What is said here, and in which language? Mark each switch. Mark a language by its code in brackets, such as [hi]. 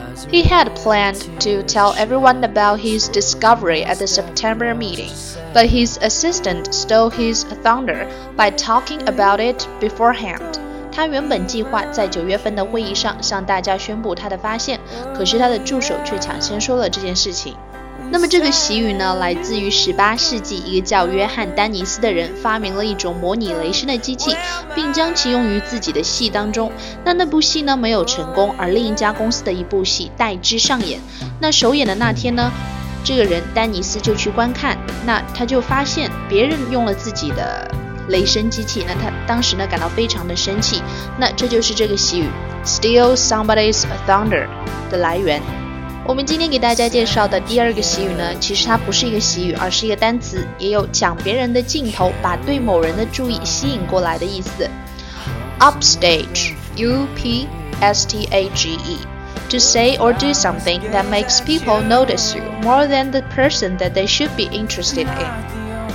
[en] He had planned to tell everyone about his discovery at the September meeting, but his assistant stole his thunder by talking about it beforehand. [zh] 他原本计划在九月份的会议上向大家宣布他的发现，可是他的助手却抢先说了这件事情。那么这个习语呢，来自于18世纪一个叫约翰·丹尼斯的人发明了一种模拟雷声的机器，并将其用于自己的戏当中。那部戏呢没有成功，而另一家公司的一部戏代之上演。那首演的那天呢，这个人丹尼斯就去观看，那他就发现别人用了自己的雷声机器，那他当时呢感到非常的生气。那这就是这个习语 Steal somebody's thunder 的来源。我们今天给大家介绍的第二个习语呢，其实它不是一个习语，而是一个单词，也有抢别人的镜头，把对某人的注意吸引过来的意思。 [en] Upstage, U-P-S-T-A-G-E, to say or do something that makes people notice you more than the person that they should be interested in.